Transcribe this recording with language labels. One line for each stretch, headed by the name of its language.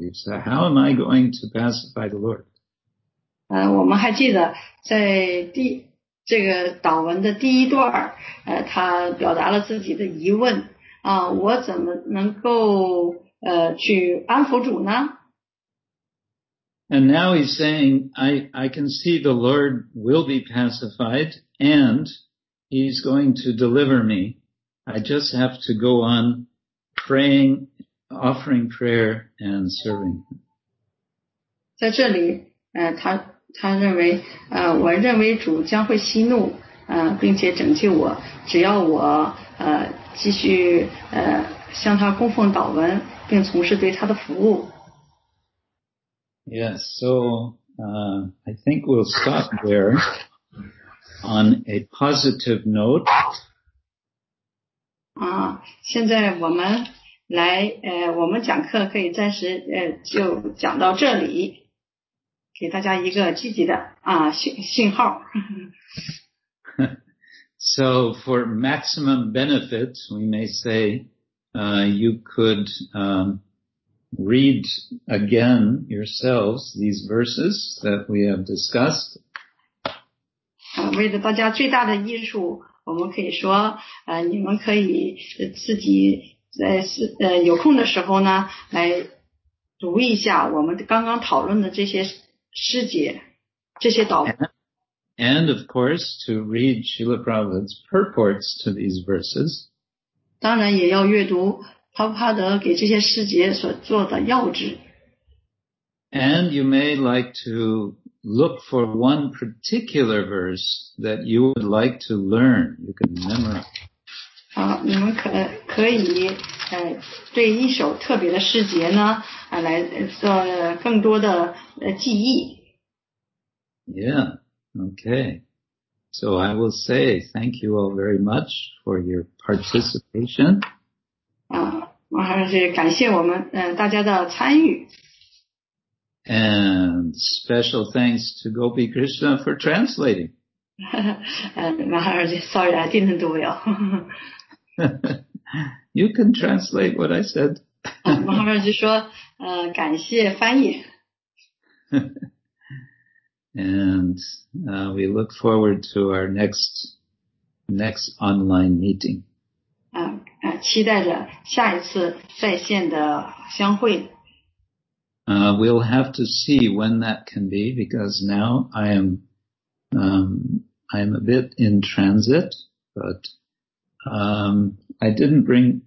English: He said, how am I going to pacify the Lord?
Chinese: 我们还记得在第这个祷文的第一段他表达了自己的疑问啊，我怎么能够去安抚主呢？
English: And now he's saying, I can see the Lord will be pacified and he's going to deliver me. I just have to go on praying, offering prayer and serving him.
Chinese: 在这里他认为我认为主将会息怒并且拯救我，只要我继续向他供奉祷文并从事对他的服务。
English: Yes, so I think we'll stop there on a positive note.
Chinese: 现在我们来我们讲课可以暂时就讲到这里。给大家一个积极的信号。
English: So for maximum benefit, we may say, you could, read again yourselves these verses that we have discussed.
Chinese: 为了大家最大的益处，我们可以说，你们可以自己在有空的时候呢，来读一下我们刚刚讨论的这些师姐这些祷文。
English: And of course, to read Srila Prabhupada's purports to these verses.
Chinese: 当然也要阅读帕帕德给这些师姐所做的要旨。
English: And you may like to look for one particular verse that you would like to learn. You can memorize.
Chinese: 你们可以对一首特别的师姐呢来做更多的记忆。
English: Yeah. Okay, so I will say thank you all very much for your participation.
Chinese: 我还是感谢我们大家的参与。
English: And special thanks to Gopi Krishna for translating.
Chinese: 我还是
English: sorry, I didn't do well. You can translate what I said.
Chinese: 我还是说感谢翻译。
English: And we look forward to our next online meeting.
Chinese: 期待着下一次在线的相会。
English: We'll have to see when that can be because now I'm a bit in transit, but I didn't bring.